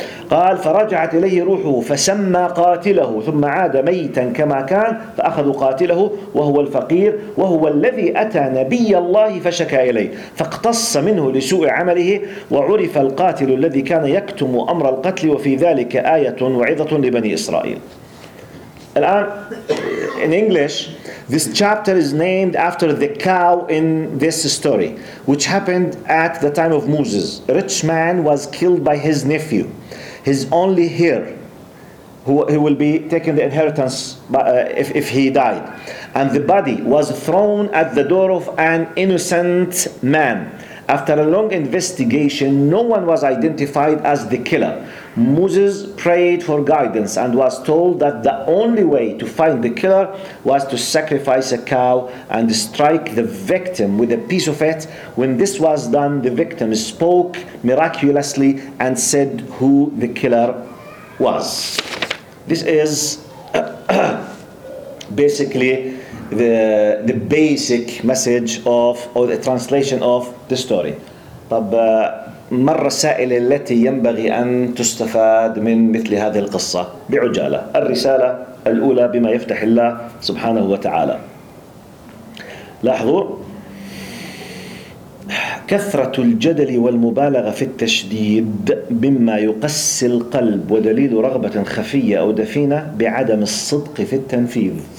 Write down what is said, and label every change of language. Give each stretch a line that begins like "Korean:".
Arabic: قال: فرجعت إليه روحه، فسمى قاتله، ثم عاد ميتا كما كان، فأخذوا قاتله وهو الفقير، وهو الذي أتى نبي الله فشكى إليه، فاقتص منه لسوء عمله، وعرف القاتل الذي كان يكتم أمر القتل، وفي ذلك آية وعظة لبني إسرائيل.
English: الآن in English, this chapter is named after the cow in this story, which happened at the time of Moses. A rich man was killed by his nephew, his only heir, who will be taking the inheritance if he died. And the body was thrown at the door of an innocent man. After a long investigation, no one was identified as the killer. Moses prayed for guidance and was told that the only way to find the killer was to sacrifice a cow and strike the victim with a piece of it. When this was done, the victim spoke miraculously and said who the killer was. This is basically the basic message of, or the translation of, the story.
Arabic: طب ما الرسائل التي ينبغي أن تستفاد من مثل هذه القصة بعجالة؟ الرسالة الأولى بما يفتح الله سبحانه وتعالى. لاحظوا: كثرة الجدل والمبالغة في التشديد مما يقسي القلب، ودليل رغبة خفية أو دفينة بعدم الصدق في التنفيذ.